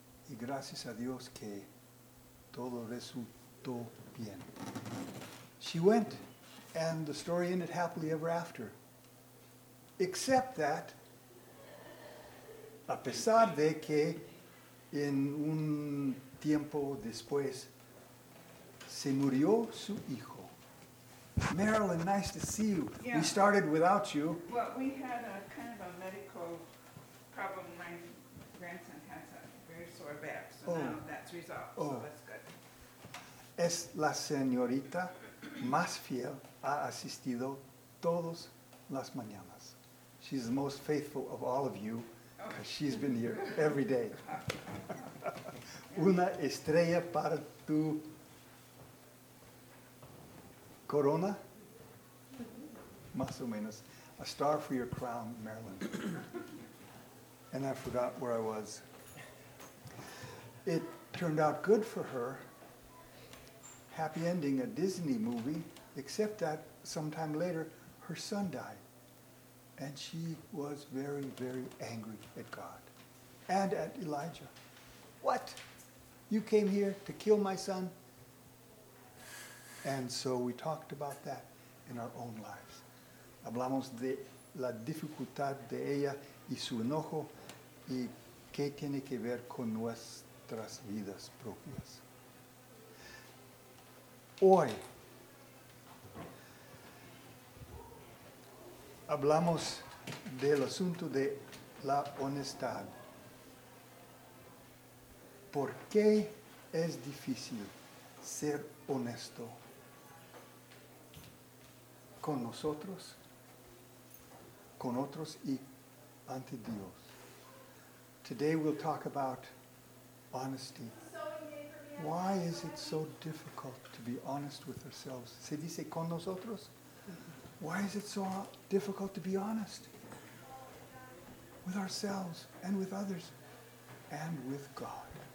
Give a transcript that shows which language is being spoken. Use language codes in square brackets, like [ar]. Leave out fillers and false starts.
[es] Y gracias a Dios que todo resultó bien. [en] She went, and the story ended happily ever after. Except that, [es] a pesar de que en un tiempo después se murió su hijo. [en] Marilyn, nice to see you. Yeah. We started without you. Well, we had a kind of a medical problem. My grandson has a very sore back, so oh. Now that's resolved, oh. So that's good. [es] Es la señorita más fiel ha asistido todas las mañanas. [en] She's the most faithful of all of you. Because she's been here every day. [es] Una estrella para tu corona? Más o menos. [en] A star for your crown, Marilyn. And I forgot where I was. It turned out good for her. Happy ending, a Disney movie. Except that sometime later, her son died. And she was very, very angry at God and at Elijah. What? You came here to kill my son? And so we talked about that in our own lives. [es] Hablamos de la dificultad de ella y su enojo y qué tiene que ver con nuestras vidas propias. Hoy, hablamos del asunto de la honestidad. ¿Por qué es difícil ser honesto con nosotros, con otros y ante Dios? [en] Today we'll talk about honesty. Why is it so difficult to be honest with ourselves? [es] ¿Se dice con nosotros? [en] Why is it so difficult to be honest with ourselves and with others and with God?